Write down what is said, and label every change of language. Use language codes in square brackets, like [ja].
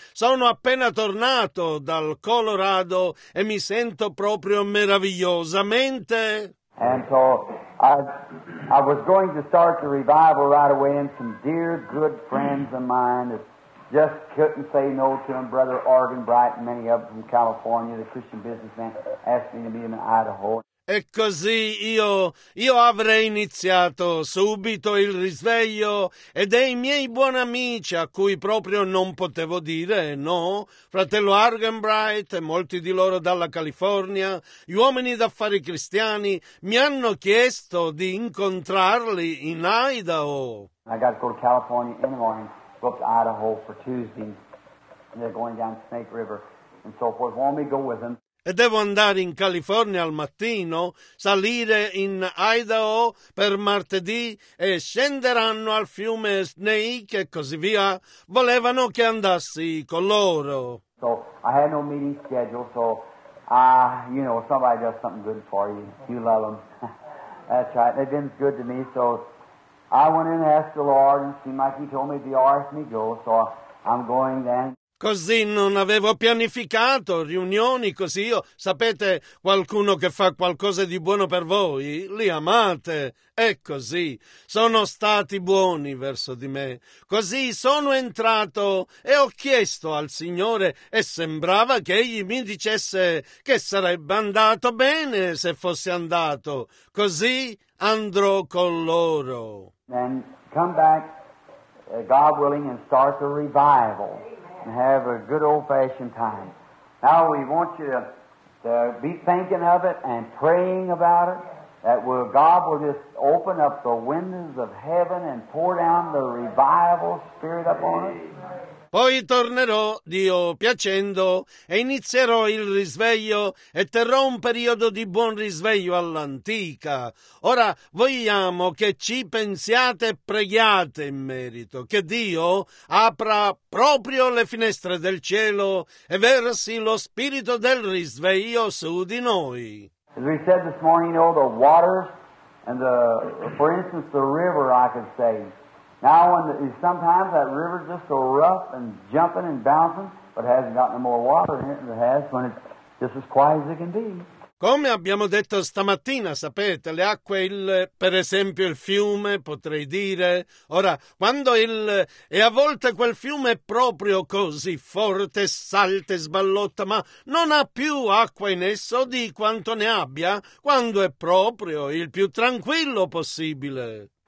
[it] Sono appena tornato dal Colorado e mi sento proprio meravigliosamente. [en] And so I was going to start the revival right away, and some dear, good friends of mine that just couldn't say no to them, Brother Arvin Bright and many of them from California, the Christian businessman, asked me to meet him in Idaho. [it] E così io avrei iniziato subito il risveglio e dei miei buoni amici a cui proprio non potevo dire no, fratello Argenbright e molti di loro dalla California, gli uomini d'affari cristiani, mi hanno chiesto di incontrarli in Idaho. [en] I got to go to California in the morning, go up to Idaho for Tuesday, and they're going down Snake River. and so forth, want me to go with him. [it] E devo andare in California al mattino, salire in Idaho per martedì e scenderanno al fiume Snake e così via. Volevano che andassi con loro. [en] So I had no meeting schedule, so you know, somebody does something good for you. You love them. That's right. They've been good to me, so I went in and asked the Lord, and seemed like he told me to be RS me go, so I'm going then. [it] Così non avevo pianificato riunioni, così io, sapete, qualcuno che fa qualcosa di buono per voi, li amate, e così, sono stati buoni verso di me. Così sono entrato e ho chiesto al Signore e sembrava che Egli mi dicesse che sarebbe andato bene se fossi andato, così andrò con loro. [en] Then come back, God willing, and start the revival. And have a good old-fashioned time. Now we want you to be thinking of it and praying about it, that will God will just open up the windows of heaven and pour down the revival spirit upon us. [it] Poi tornerò, Dio piacendo, e inizierò il risveglio e terrò un periodo di buon risveglio all'antica. Ora vogliamo che ci pensiate e preghiate in merito, che Dio apra proprio le finestre del cielo e versi lo spirito del risveglio su di noi. [en] As we said this morning, you know, the waters and the, for instance, the river, I could say. Now, when the, sometimes that river is just so rough and jumping and bouncing, but it hasn't gotten more water in it than it has when it's just as quiet as it can be. [it] Come abbiamo detto stamattina, sapete, le acque, per esempio il fiume, potrei dire. Ora, quando e a volte quel fiume è proprio così forte, salta e sballotta, ma non ha più acqua in esso di quanto ne abbia, quando è proprio il più tranquillo possibile.